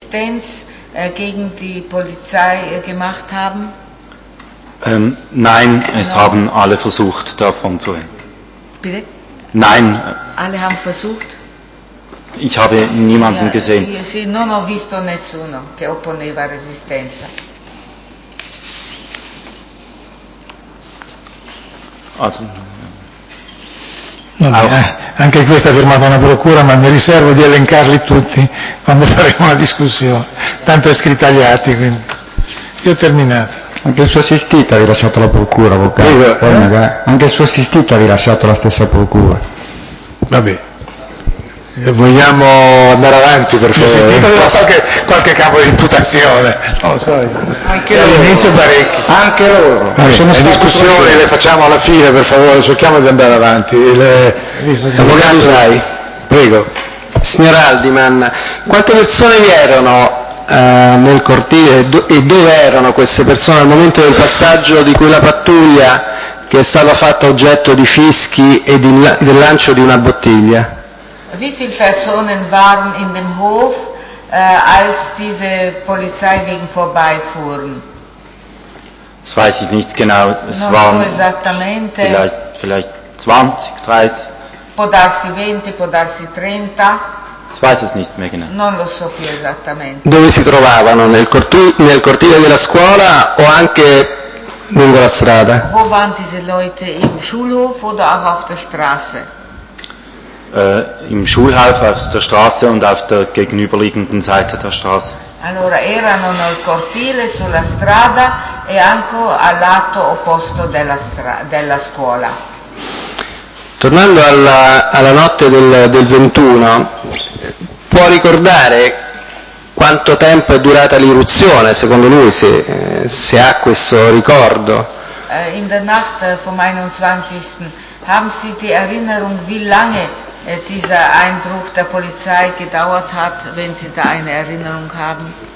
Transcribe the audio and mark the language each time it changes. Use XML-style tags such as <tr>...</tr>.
<de>Stands gegen die Polizei gemacht haben? Nein, es haben alle versucht, davon zu gehen. Bitte? Nein. Alle haben versucht? Ich habe niemanden gesehen.</de> <it>Sì, non ho visto nessuno che opponeva resistenza.</it> <de>Also.</de> <it>Vabbè, anche questa è firmata una procura, ma mi riservo di elencarli tutti quando faremo la discussione. Tanto è scritta agli atti, quindi. Io ho terminato. Anche il suo assistito ha rilasciato la procura, avvocato. Anche il suo assistito ha rilasciato la stessa procura. Vabbè. Vogliamo andare avanti per favore. Assistito aveva qualche capo di imputazione. Non lo so. Anche loro. All'inizio parecchi. Anche loro. Le discussioni le facciamo alla fine, per favore, cerchiamo di andare avanti. Avvocato Usai. Prego. Signor Aldiman, quante persone vi erano nel cortile e dove erano queste persone al momento del passaggio di quella pattuglia che è stata fatta oggetto di fischi e del lancio di una bottiglia?</it> <de>Wie viele Personen waren in dem Hof, als diese Polizeiwagen vorbeifuhren? Das weiß ich nicht genau. Es</de> <it>non</it> <de>waren</de> <it>so esattamente.</it> <de>Vielleicht 20, 30.</de> <it>Può darsi 20, può darsi 30.</it> <de>Ich weiß es nicht mehr genau.</de> <it>Non lo so più esattamente. Dove si trovavano? Nel cortile della scuola o anche lungo la strada?</it> <de>Wo waren diese Leute, im Schulhof oder auch auf der Straße? Im Schulhof, auf der Straße und auf der gegenüberliegenden Seite der Straße.</de> <it>Allora erano nel cortile, sulla strada e anche al lato opposto della scuola. Tornando alla notte del 21, può ricordare quanto tempo è durata l'irruzione, secondo lui, se ha questo ricordo?</it> <de>In der Nacht vom 21. haben Sie die Erinnerung, wie lange dieser Einbruch der Polizei gedauert hat, wenn Sie da eine Erinnerung haben?</de>